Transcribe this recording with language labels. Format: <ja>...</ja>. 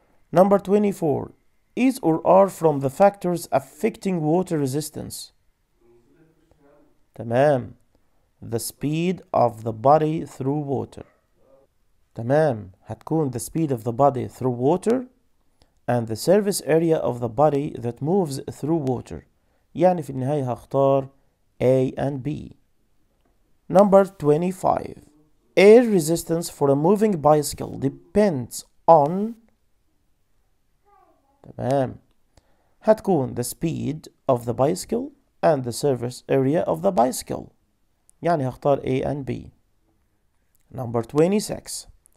<en>Number 24, is or are from the factors affecting water resistance.</en> <ar>تمام.</ar> <en>The speed of the body through water.</en> <ar>تمام. هتكون</ar> <en>the speed of the body through water and the surface area of the body that moves through water.</en> <ar>يعني في النهاية هختار A and B.</ar> <en>Number 25. Air resistance for a moving bicycle depends on.</en> <ar>تمام. هتكون</ar> <en>the speed of the bicycle and the surface area of the bicycle.</en> <ar>يعني هختار</ar> <en>A and B. Number 26.</en>